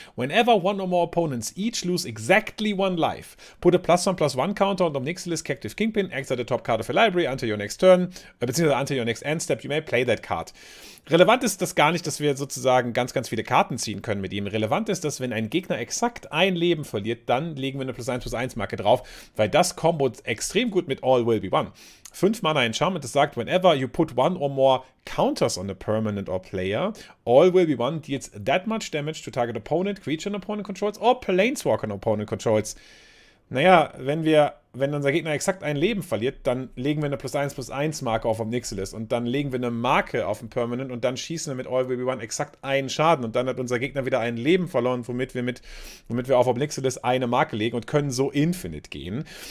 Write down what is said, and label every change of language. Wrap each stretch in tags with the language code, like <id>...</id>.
<en>Whenever one or more opponents each lose exactly one life, put a +1/+1 counter on Obnixilis, Captive Kingpin, exile the top card of a library until your next turn, beziehungsweise until your next end step, you may play that card.</en> <de>Relevant ist das gar nicht, dass wir sozusagen ganz, ganz viele Karten ziehen können mit ihm. Relevant ist, dass wenn ein Gegner exakt ein Leben verliert, dann legen wir eine +1/+1 Marke drauf, weil das kombot extrem gut mit All Will Be One.</de> <en>5 Mana Enchantment,</en> <de>das sagt,</de> <en>whenever you put one or more counters on a permanent or player, All Will Be One deals that much damage to target opponent, creature and opponent controls or planeswalker and opponent controls.</en> <de>Naja, wenn unser Gegner exakt ein Leben verliert, dann legen wir eine +1/+1 Marke auf Obnixilis und dann legen wir eine Marke auf dem Permanent und dann schießen wir mit All Will Be One exakt einen Schaden und dann hat unser Gegner wieder ein Leben verloren, womit wir auf Obnixilis eine Marke legen und können so Infinite gehen.</de>